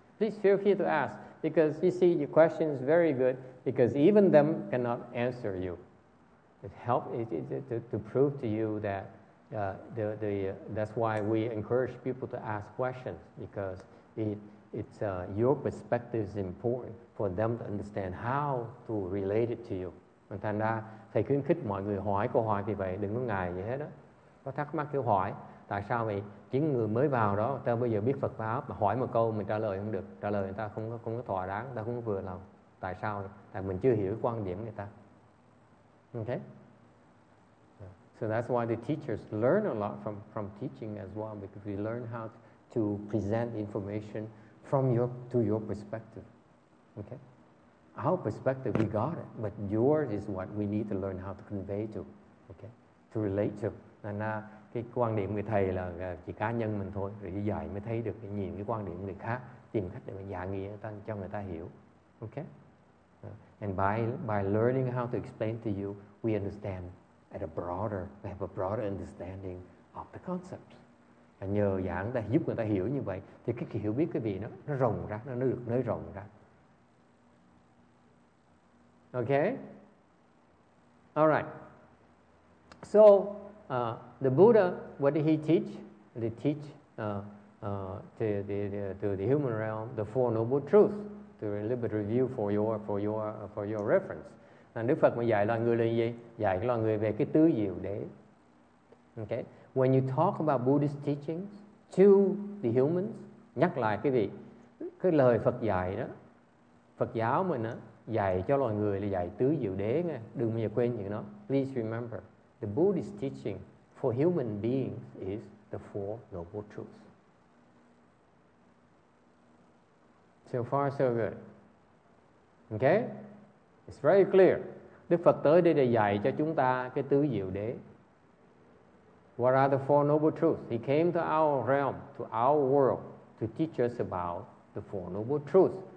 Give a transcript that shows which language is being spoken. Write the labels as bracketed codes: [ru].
[en] Please feel free to ask, because you see, your question is very good, because even them cannot answer you. It helps to prove to you that that's why we encourage people to ask questions, because it's your perspective is important for them to understand how to relate it to you. [vi] Mình thành ra thầy khuyến khích mọi người hỏi câu hỏi vì vậy, đừng có ngại gì hết đó. Có thắc mắc kêu hỏi, tại sao vậy? Chính người mới vào đó, ta bây giờ biết Phật pháp mà hỏi một câu mình trả lời không được, trả lời người ta không có thỏa đáng, ta không có vừa lòng. Tại sao? Tại mình chưa hiểu quan điểm người ta. Okay? [en] So that's why the teachers learn a lot from teaching as well, because we learn how to present information to your perspective. Okay? Our perspective, we got it, but yours is what we need to learn how to convey to, okay? To relate to. And [vi] cái quan điểm của thầy là chỉ cá nhân mình thôi, rồi đi dạy mới thấy được, nhìn cái quan điểm người khác, tìm cách để mà giải nghĩa cho người ta hiểu. Okay? [en] And by learning how to explain to you, we understand we have a broader understanding of the concept. [vi] Và nhờ giảng ta giúp người ta hiểu như vậy, thì cái hiểu biết cái gì nó rộng ra, nó được nới rộng ra. Okay? [en] All right. So the Buddha, what did he teach? He teach to the human realm the Four Noble Truths. To a little bit review for your reference. And [vi] Đức Phật mà dạy loài người là gì? Dạy loài người về cái tứ diệu đế. Okay. [en] When you talk about Buddhist teachings to the humans, [vi] nhắc lại cái gì? Cái lời Phật dạy đó, Phật giáo mình á, dạy cho loài người là dạy tứ diệu đế nghe. Đừng bao giờ quên những nó. [en] Please remember, the Buddhist teaching for human beings is the Four Noble Truths. So far, so good. Okay? It's very clear. [vi] Đức Phật tới đây để dạy cho chúng ta cái tứ diệu đế. [en] What are the Four Noble Truths? He came to our realm, to our world, to teach us about the Four Noble Truths.